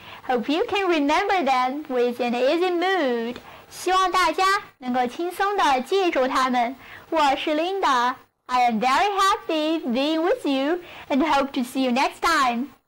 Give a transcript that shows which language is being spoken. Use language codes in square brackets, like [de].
[en] Hope you can remember them with an easy mood. [zh] 希望大家能够轻松地记住它们。我是 [en] Linda, I am very happy being with you and hope to see you next time.